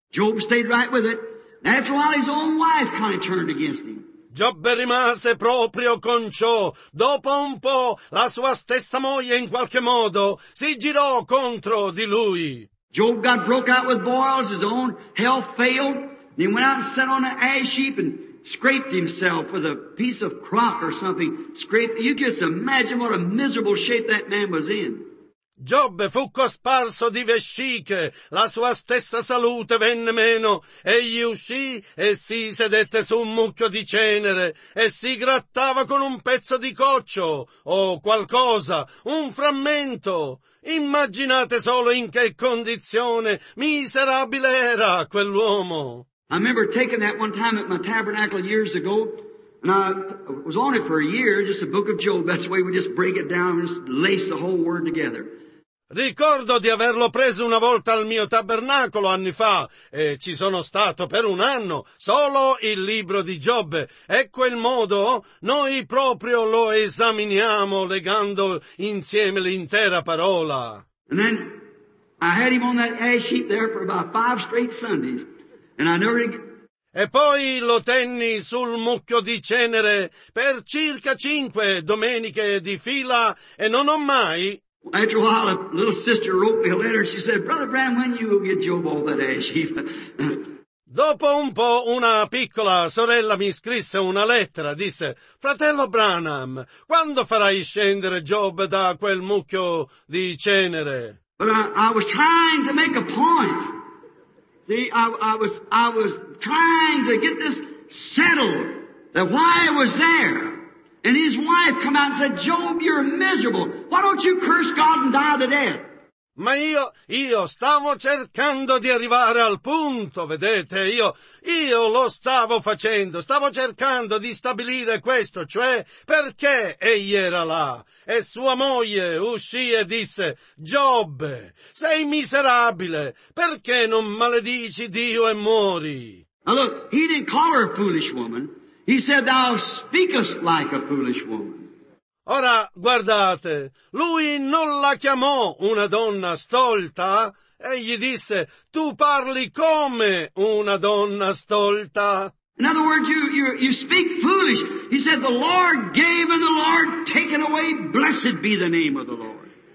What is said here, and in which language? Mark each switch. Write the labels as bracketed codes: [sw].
[en] Job stayed right with it. After a while his own wife kind of turned against him. [it] Giobbe rimase proprio con ciò. Dopo un po', la sua stessa moglie in qualche modo si girò contro di lui. [en] Job got broke out with boils, his own health failed. He went out and sat on an ash heap and scraped himself with a piece of crock or something. Scraped. You can just imagine what a miserable shape that man was in. [it] Giobbe fu cosparso di vesciche, la sua stessa salute venne meno, egli uscì e si sedette su un mucchio di cenere e si grattava con un pezzo di coccio o qualcosa, un frammento. Immaginate solo in che condizione miserabile era quell'uomo. [en] I remember taking that one time at my tabernacle years ago, and I was on it for a year, just the book of Job, that's the way we just break it down, just lace the whole word together. [it] Ricordo di averlo preso una volta al mio tabernacolo anni fa, e ci sono stato per un anno, solo il libro di Giobbe. Ecco il modo, noi proprio lo esaminiamo legando insieme l'intera parola. [en] And then I had him on that ash heap there for about five straight Sundays, and I never... [it] E poi lo tenni sul mucchio di cenere per circa cinque domeniche di fila, e non ho mai... [en] After a while, a little sister wrote me a letter. She said, Brother Branham, when you will get Job all that ash heap? [it] Dopo un po' una piccola sorella mi scrisse una lettera, disse, Fratello Branham, quando farai scendere Job da quel mucchio di cenere? [en] But I was trying to make a point. See, I was trying to get this settled, that why I was there. And his wife come out and said, Job, you're miserable. Why don't you curse God and die to death? [it] Ma io stavo cercando di arrivare al punto, vedete, io lo stavo facendo, stavo cercando di stabilire questo, cioè perché egli era là. E sua moglie uscì e disse, Giobbe, sei miserabile, perché non maledici Dio e muori? [en] Now look, he didn't call her a foolish woman, he said thou speakest like a foolish woman. [it] Ora, guardate, lui non la chiamò una donna stolta, e gli disse, tu parli come una donna stolta. [en] In other words, you speak foolish. He said, the Lord gave and the Lord taken away, blessed be the name of the Lord.